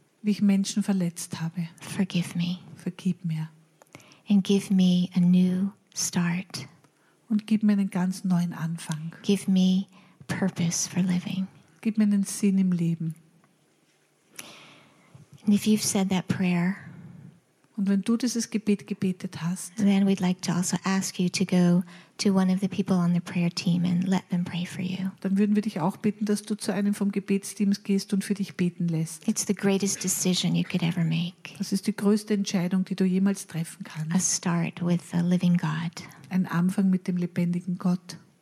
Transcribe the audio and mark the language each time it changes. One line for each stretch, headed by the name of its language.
German: Wie ich Menschen verletzt habe.
English: Forgive me.
German: Vergib mir.
English: And give me a new start.
German: Und gib mir einen ganz neuen Anfang.
English: Give me purpose for living.
German: Gib mir einen Sinn im Leben.
English: And if you've said that prayer,
German: und wenn du dieses Gebet gebetet hast,
English: then we'd like to also ask you to go to one of the people on the prayer team and let them pray for you.
German: Dann würden wir dich auch bitten, dass du zu einem vom Gebetsteam gehst und für dich beten lässt.
English: It's the greatest decision you could ever make.
German: Das ist die größte Entscheidung, die du jemals treffen kannst.
English: A start with the living God.
German: Ein Anfang mit dem lebendigen Gott.